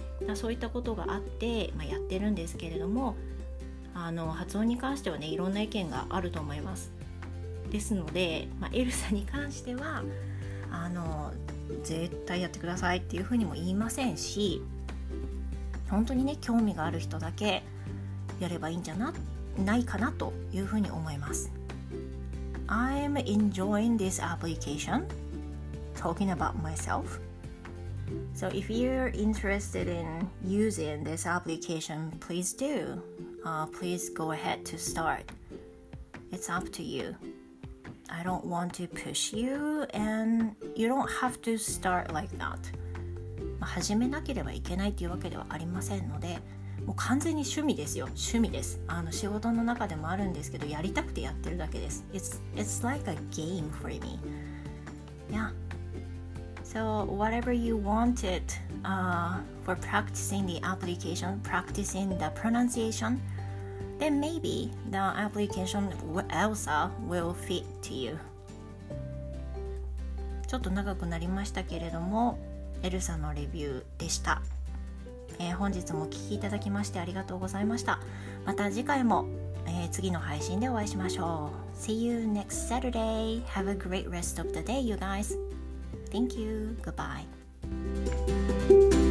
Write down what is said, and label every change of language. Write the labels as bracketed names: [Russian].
[Japanese] だそういったことがあって、まあ、やってるんですけれども、あの発音に関してはね、いろんな意見があると思います。ですので、まあ、エルサに関してはあの絶対やってくださいっていうふうにも言いませんし、本当にね興味がある人だけやればいいんじゃないかなというふうに思います。 [English] I am enjoying this application talking about myself. So if you're interested in using this application, please do. Please go ahead to start. It's up to you. I don't want to push you and you don't have to start like that. [Japanese] 始めなければいけないというわけではありませんので、もう完全に趣味ですよ、趣味です。あの仕事の中でもあるんですけど、やりたくてやってるだけです。 [English] It's like a game for me. Yeah. So whatever you wanted for practicing the application, practicing the pronunciation, then maybe the application Elsa will fit to you. [Japanese] ちょっと長くなりましたけれども、エルサのレビューでした、本日もお聞きいただきましてありがとうございました。また次回も、次の配信でお会いしましょう。 [English] See you next Saturday. Have a great rest of the day, you guys. Thank you. Goodbye.